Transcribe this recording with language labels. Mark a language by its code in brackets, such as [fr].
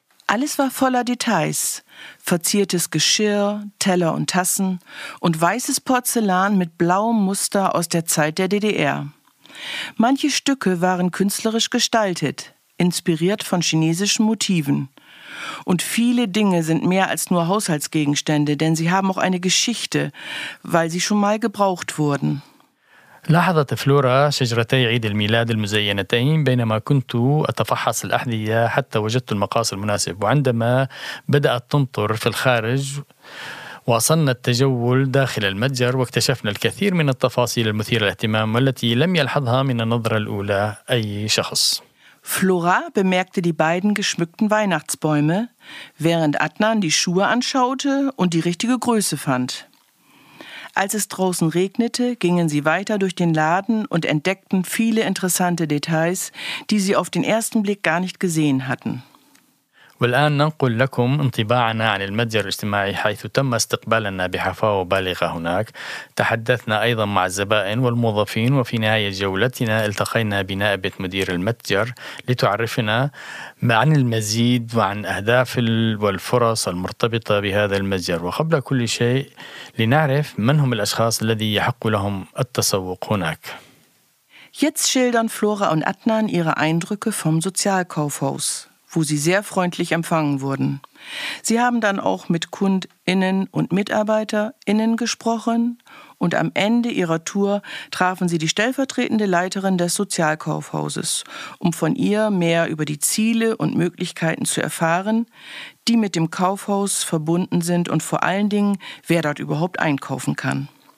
[de] Alles war voller Details. Verziertes Geschirr, Teller und Tassen und weißes Porzellan mit blauem Muster aus der Zeit der DDR. Manche Stücke waren künstlerisch gestaltet, inspiriert von chinesischen Motiven. Und viele Dinge sind mehr als nur Haushaltsgegenstände, denn sie haben auch eine Geschichte, weil sie schon mal gebraucht wurden. [ar] لاحظت فلورا شجرتي عيد الميلاد المزينتين بينما كنت أتفحص الأحذية حتى وجدت المقاس المناسب، وعندما بدأت تمطر في الخارج وصلنا التجول داخل المتجر واكتشفنا الكثير من التفاصيل المثيرة للاهتمام والتي لم يلحظها من النظرة الأولى أي شخص. [de] فلورا bemerkte die beiden geschmückten Weihnachtsbäume, während Adnan die Schuhe anschaute und die richtige Größe fand. Als es draußen regnete, gingen sie weiter durch den Laden und entdeckten viele interessante Details, die sie auf den ersten Blick gar nicht gesehen hatten. [ar] والآن ننقل لكم انطباعنا عن المتجر الاجتماعي حيث تم استقبالنا بحفاوة بالغة هناك. تحدثنا أيضا مع الزبائن والموظفين، وفي نهاية جولتنا التقينا بنائبة مدير المتجر لتعرفنا عن المزيد وعن أهداف والفرص المرتبطة بهذا المتجر، وقبل كل شيء لنعرف من هم الأشخاص الذي يحق لهم التسوق هناك. [de] Jetzt schildern Flora und Adnan ihre Eindrücke vom Sozialkaufhaus, wo sie sehr freundlich empfangen wurden. Sie haben dann auch mit KundInnen und MitarbeiterInnen gesprochen und am Ende ihrer Tour trafen sie die stellvertretende Leiterin des Sozialkaufhauses, um von ihr mehr über die Ziele und Möglichkeiten zu erfahren, die mit dem Kaufhaus verbunden sind und vor allen Dingen, wer dort überhaupt einkaufen kann.